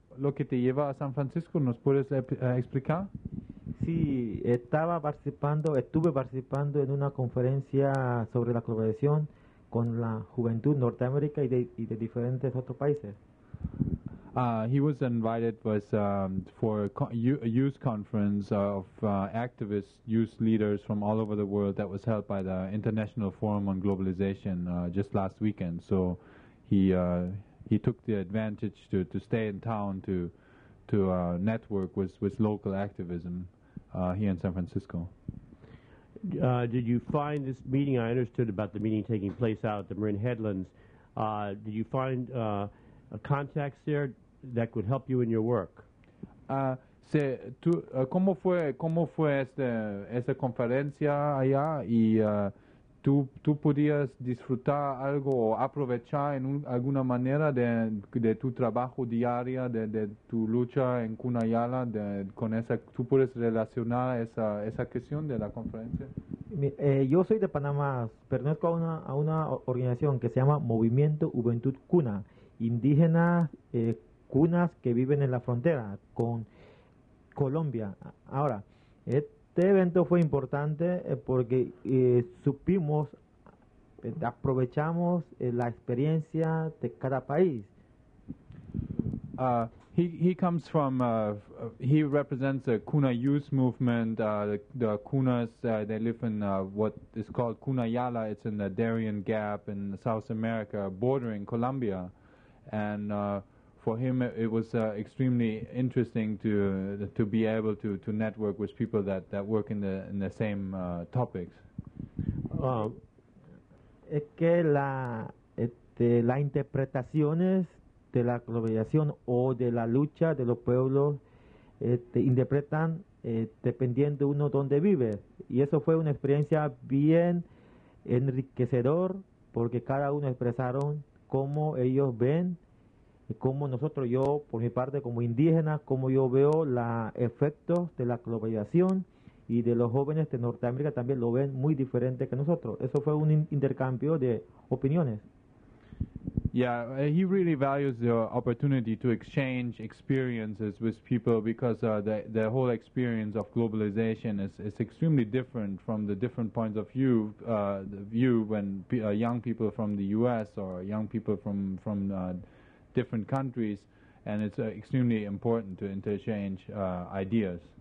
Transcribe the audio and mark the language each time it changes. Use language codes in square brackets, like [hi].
[es] Lo que te lleva a San Francisco, ¿nos puedes explicar? Sí, estuve participando en una conferencia sobre la colaboración con la juventud Norteamérica y de diferentes otros países. [en] He was invited for a youth conference of activists, youth leaders from all over the world that was held by the International Forum on Globalization just last weekend. So he took the advantage to stay in town to network with local activism here in San Francisco. Did you find this meeting? I understood about the meeting taking place out at the Marin Headlands. Did you find contacts there that could help you in your work? [es] ¿Cómo fue esta conferencia allá y tú podías disfrutar algo o aprovechar en alguna manera de tu trabajo diario, de tu lucha en Cunayala, tú puedes relacionar esa cuestión de la conferencia? Yo soy de Panamá, pertenezco a una organización que se llama Movimiento Juventud Cuna, indígena cunas que viven en la frontera con Colombia. Ahora, este evento fue importante porque supimos, aprovechamos la experiencia de cada país. [en] He comes from, he represents a Cuna youth movement, the Cunas, they live in what is called Cunayala, it's in the Darien Gap in South America, bordering Colombia. And for him, it was extremely interesting to be able to network with people that work in the same topics. [es] Es que las interpretaciones de la globalización o de la lucha de los pueblos interpretan dependiendo uno donde vive. Y eso fue una experiencia bien enriquecedor porque cada uno expresaron cómo ellos ven como nosotros, yo por mi parte como indígena, como yo veo los efectos de la globalización y de los jóvenes de Norteamérica también lo ven muy diferente que nosotros. Eso fue un intercambio de opiniones. [en] Yeah, he really values the opportunity to exchange experiences with people because the whole experience of globalization is extremely different from the different points of view when young people from the US or young people from different countries, and it's extremely important to interchange ideas.